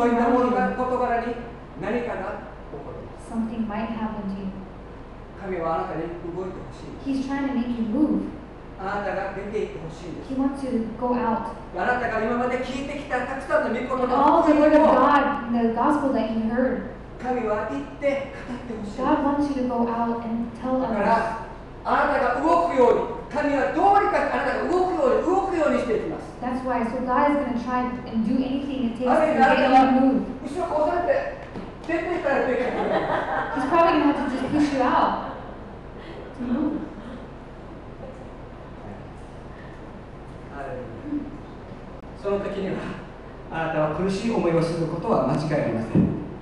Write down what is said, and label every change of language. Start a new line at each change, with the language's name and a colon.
Japanese: そういったものが、事柄に何かが起こる。
English: Something might happen to you.
Japanese: 神はあなたに動いてほしい。
English: He's trying to make you move.
Japanese: あなたが出て行ってほしいんです。
English: He wants you to go out.
Japanese: あなたが今まで聞いてきたたくさんの御言葉、
English: And all the word of God, the gospel that you heard.
Japanese: 神は行って語ってほしい。
English: God wants you to go out and tell others.
Japanese: だから、あなたが動くように。神はどうにかあなたが動くように動くようにしていきます。
English: That's why, so God is going to try and do anything it takes to get you to move.
Japanese: 後ろこうやって出て行かないといけない。
English: He's probably going to have to just push you out to move.
Japanese: その時にはあなたは苦しい思いをすることは間違いありません。